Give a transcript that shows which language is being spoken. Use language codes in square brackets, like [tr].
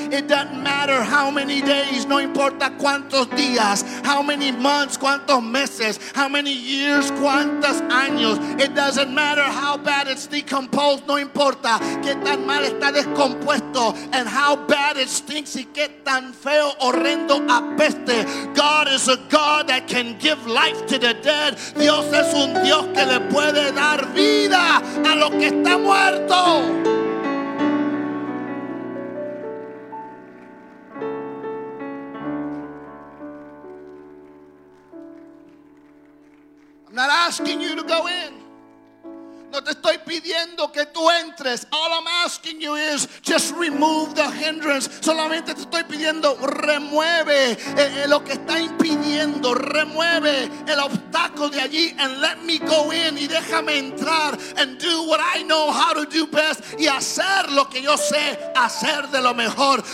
[en] It doesn't matter how many days, [es] no importa cuántos días, [en] how many months, [es] cuántos meses, [en] how many years, [es] cuántos años. [en] It doesn't matter how bad it's decomposed, [es] no importa qué tan mal está descompuesto, [en] and how bad it stinks [es] y qué tan feo, horrendo apeste. [en] God is a God that can give life to the dead. [es] Dios es un Dios que le puede dar vida a lo que está muerto. [en] Not asking you to go in. [es] No te estoy pidiendo que tú entres. [en] All I'm asking you is just remove the hindrance. [es] Solamente te estoy pidiendo, remueve lo que está impidiendo, remueve el obstáculo de allí, [en] and let me go in, [es] y déjame entrar, [en] and do what I know how to do best, [es] y hacer lo que yo sé hacer de lo mejor,